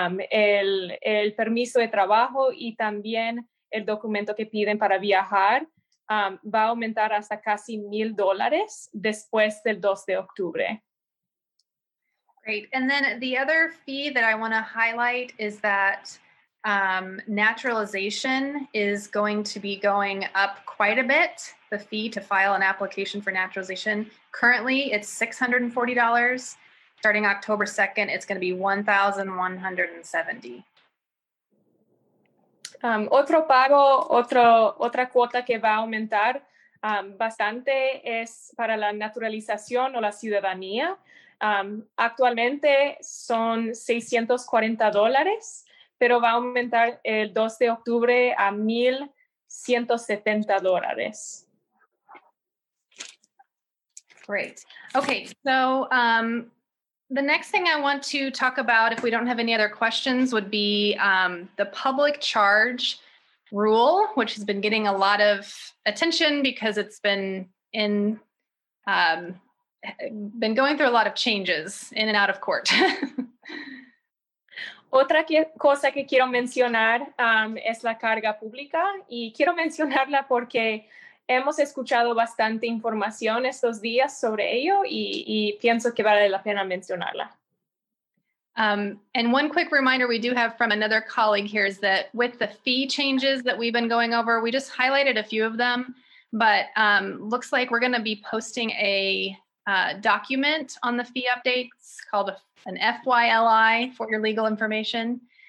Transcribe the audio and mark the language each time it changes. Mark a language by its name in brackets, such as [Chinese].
[Spanish] El permiso de trabajo y también el documento que piden para viajar va a aumentar hasta casi $1,000 después del 2 de octubre. [English] Great. And then the other fee that I want to highlight is that naturalization is going to be going up quite a bit. The fee to file an application for naturalization, currently it's $640. Starting October 2nd, it's going to be $1,170. [Spanish] Otro pago, otra cuota que va a aumentar bastante es para la naturalización o la ciudadanía. Actualmente son $640, pero va a aumentar el 2 de octubre a $1,170. [English] Great. Okay, so the next thing I want to talk about, if we don't have any other questions, would be the public charge rule, which has been getting a lot of attention because it's been going through a lot of changes in and out of court. [Spanish] Otra cosa que quiero mencionar es la carga pública, y quiero mencionarla porque hemos escuchado bastante información estos días sobre ello y pienso que vale la pena mencionarla. [English] And one quick reminder we do have from another colleague here is that with the fee changes that we've been going over, we just highlighted a few of them, but looks like we're going to be posting a document on the fee updates called an FYLI for your legal information.